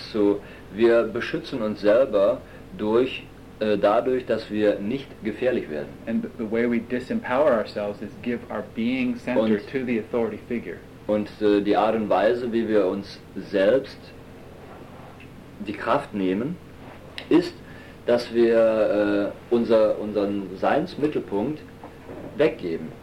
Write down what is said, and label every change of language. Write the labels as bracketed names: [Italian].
[German] So, wir beschützen uns selber dadurch, dass wir nicht gefährlich werden. [English] And the way we disempower ourselves is give our being center to the authority figure. [German] Und die Art und Weise, wie wir uns selbst die Kraft nehmen, ist, dass wir unseren Seinsmittelpunkt weggeben.